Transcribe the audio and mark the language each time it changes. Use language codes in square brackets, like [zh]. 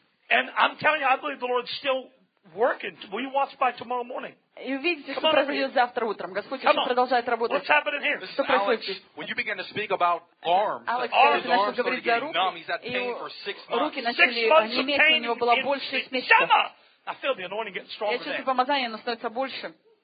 [en] And I'm telling you, I believe the Lord's still working. Will you watch by tomorrow morning? [ru] И увидите, что произойдет завтра утром. Господь еще продолжает работать. [en] What's happening here? [ru] Что происходит? [en] Alex, when you begin to speak about arms, Alex, the arms started getting numb. He's had pain for 6 months. [ru] Руки начали онеметь, у него было больше 6 месяцев. [en] I feel the anointing getting stronger. [ru] Я чувствую помазание, оно становится больше.